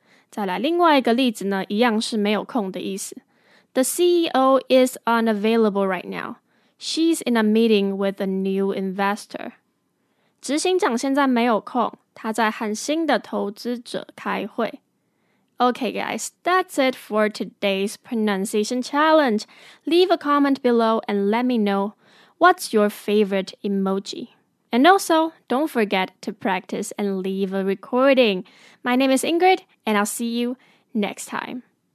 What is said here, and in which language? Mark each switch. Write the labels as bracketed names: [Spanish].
[Chinese] 再来另外一个例子呢，一样是没有空的意思。 [English] The CEO is unavailable right now. She's in a meeting with a new investor. [Chinese] 执行长现在没有空，他在和新的投资者开会。 [English] Okay guys, that's it for today's pronunciation challenge. Leave a comment below and let me know what's your favorite emoji. And also, don't forget to practice and leave a recording. My name is Ingrid, and I'll see you next time.